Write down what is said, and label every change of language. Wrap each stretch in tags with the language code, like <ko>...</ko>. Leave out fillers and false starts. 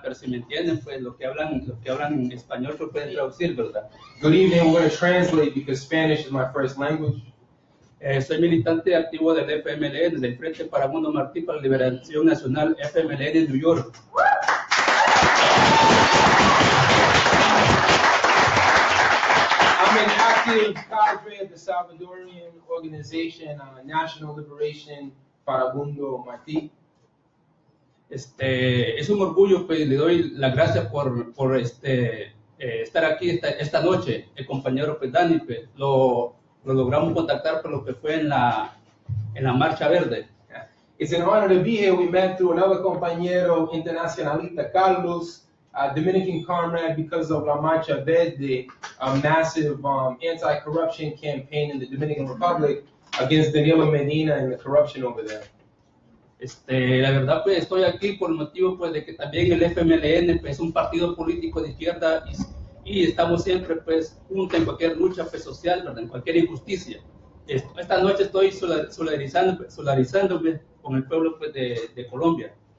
<es>Pero si me entienden, pues los que hablan en español se pueden traducir, ¿verdad?</es> <en>Good evening, I'm going to translate because Spanish is my first language.</en> <es>Soy militante activo del FMLN, del Frente para Mundo Martí para la Liberación Nacional, FMLN New York.</es> <en>I'm an active cadre of the Salvadorian organization, National Liberation para Mundo Martí.</en> <es>Es un orgullo, pues le doy las gracias por estar aquí esta noche, el compañero pues, Dani, pues, lo logramos contactar por lo que fue en la Marcha Verde.</es> <en>It's an honor to be here. We met through another</en> <es>compañero internacionalista,</es> <en>Carlos, a Dominican comrade, because of La Marcha Verde, a massive anti-corruption campaign in the Dominican Republic against Danilo Medina and the corruption over there.</en> <es>La verdad, pues, estoy aquí por el motivo, pues, de que también el FMLN, pues, es un partido político de izquierda y estamos siempre, pues, juntos en cualquier lucha, pues, social, ¿verdad?, en cualquier injusticia. Esta noche estoy solidarizándome con el pueblo, pues, de Colombia.</es>